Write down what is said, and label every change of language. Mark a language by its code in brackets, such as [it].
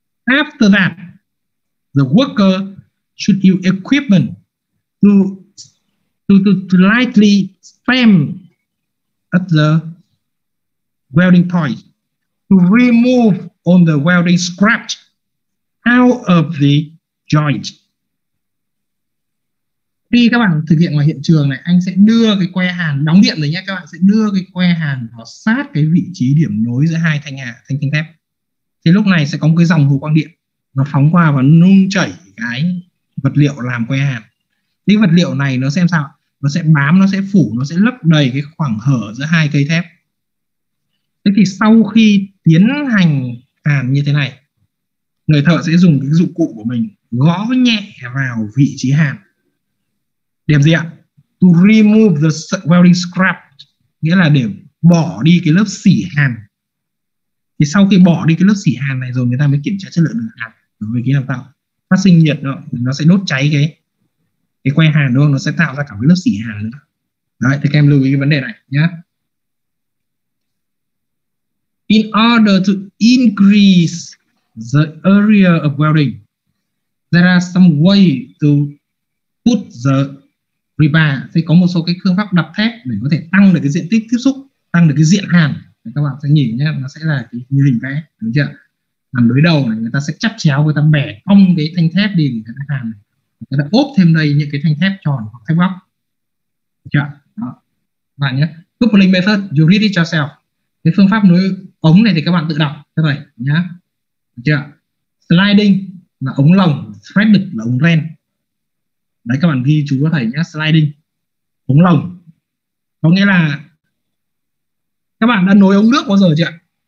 [en] After that, the worker should use equipment to lightly stamp at the welding point to remove all the welding scrap out of the joint. [vi] Khi các bạn thực hiện ngoài hiện trường này, anh sẽ đưa cái que hàn đóng điện rồi nhé, các bạn sẽ đưa cái que hàn nó sát cái vị trí điểm nối giữa hai thanh thép. Thì lúc này sẽ có một cái dòng hồ quang điện nó phóng qua và nung chảy cái vật liệu làm que hàn. Cái vật liệu này nó xem sao, nó sẽ bám, nó sẽ phủ, nó sẽ lấp đầy cái khoảng hở giữa hai cây thép. Thế thì sau khi tiến hành hàn như thế này, người thợ sẽ dùng cái dụng cụ của mình gõ nhẹ vào vị trí hàn. Điểm gì ạ? [en] To remove the welding scrap, [vi] nghĩa là để bỏ đi cái lớp xỉ hàn. Thì sau khi bỏ đi cái lớp xỉ hàn này rồi, người ta mới kiểm tra chất lượng đường hàn đối với cái làm tạo phát sinh nhiệt đó, nó sẽ đốt cháy cái que hàn đúng không, nó sẽ tạo ra cả cái lớp xỉ hàn nữa. Đấy, thì các em lưu ý cái vấn đề này nhé. [en] In order to increase the area of welding, there are some way to put the rebar. [vi] Thì có một số cái phương pháp đập thép để có thể tăng được cái diện tích tiếp xúc, tăng được cái diện hàn. Các bạn sẽ nhìn nhé, nó sẽ là cái như hình vẽ, đúng chưa? Làm đối đầu này, người ta sẽ chắp chéo, người ta bẻ cong cái thanh thép đi, người ta hàn, người ta ốp thêm đây những cái thanh thép tròn hoặc thép góc, đúng chưa? Đó. Bạn nhé, [en] coupling method, you read it yourself. [vi] Cái phương pháp nối ống này thì các bạn tự đọc thế này nhá, đúng chưa? Sliding là ống lồng, threaded là ống ren. Đấy, các bạn ghi chú có thể nhé, sliding, ống lồng. Có nghĩa là các bạn đã nối ống nước bao giờ chưa?